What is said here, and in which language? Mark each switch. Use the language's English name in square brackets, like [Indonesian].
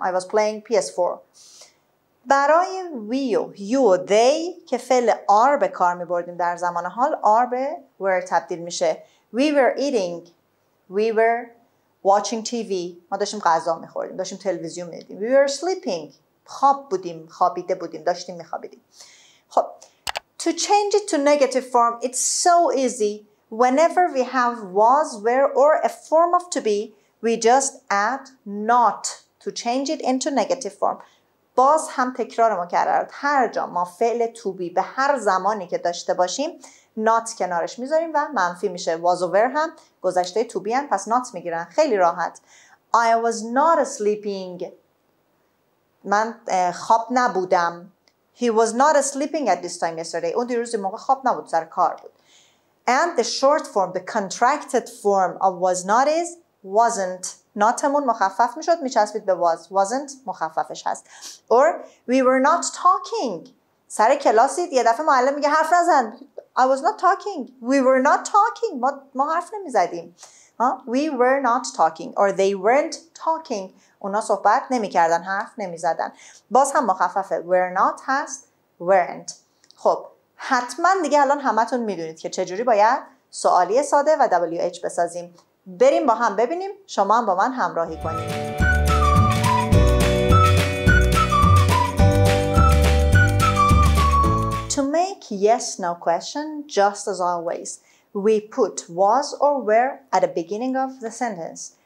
[English] I was playing PS4. [Persian] برای we و you و they که فعل are به کار میبردیم در زمان حال، are به were تبدیل میشه. [English] We were eating. We were watching TV. [Persian] ما داشتیم غذا میخوردیم، داشتیم تلویزیون میدیدیم. [English] We were sleeping. [Persian] خواب بودیم، خوابیده بودیم، داشتیم میخوابیدیم. [English] خب to change it to negative form, it's so easy. Whenever we have was, were, or a form of to be, we just add not to change it into negative form. [Persian] باز هم تکرار مکررات. هر جا ما فعل to be به هر زمانی که داشته باشیم not کنارش میذاریم و منفی میشه. Was or were هم گذشته to be هم، پس not میگیرن. خیلی راحت. [English] I was not sleeping. [Persian] من خواب نبودم. [English] He was not sleeping at this time yesterday. [Persian] اون دیروز موقع خواب نبود، سر کار بود. [English] And the short form, the contracted form of was not is wasn't. [Persian] ناتمون مخفف میشد میچسبید به was. Wasn't مخففش هست. [English] Or we were not talking. [Persian] سر کلاسید یه دفعه معلم میگه حرف نزن. [English] I was not talking. We were not talking. [Persian] ما حرف نمیزدیم. [English] We were not talking. Or they weren't talking. [Persian] اونا صحبت نمیکردن. حرف نمیزدن. باز هم مخففه. [English] Were not هست. Weren't. خب. [Persian] حتما دیگه الان همتون میدونید که چجوری باید سوالی ساده و WH بسازیم. بریم با هم ببینیم، شما هم با من همراهی کنید. [English] To make yes no question, just as always, we put was or were at the beginning of the sentence.